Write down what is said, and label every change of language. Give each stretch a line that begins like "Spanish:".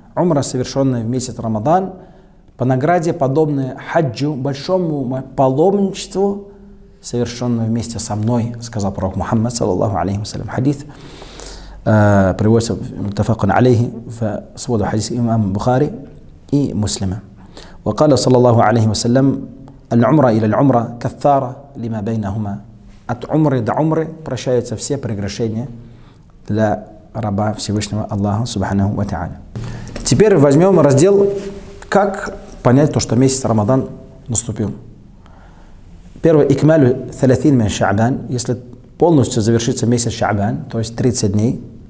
Russian: Умра, совершенная в месяц Рамадан, по награде подобное хаджу, большому паломничеству, совершенному вместе со мной, сказал пророк Мухаммад саллаллаху алейхи ва саллям. Хадис приводится в муттафакун алейхи, в своду хадис имам Бухари и Муслима.
Arabic: وقال صلى الله عليه وسلم العمره الى العمره كفاره لما بينهما.
Russian: От умры до умры прощаются все прегрешения для раба Всевышнего Аллаха субханаху ва тааля. Теперь возьмем раздел, как понять то, что месяц Рамадан наступил. Первое,
Arabic: икмалю саласин мин шаабан,
Russian: если полностью завершится месяц шаабан, то есть 30 дней.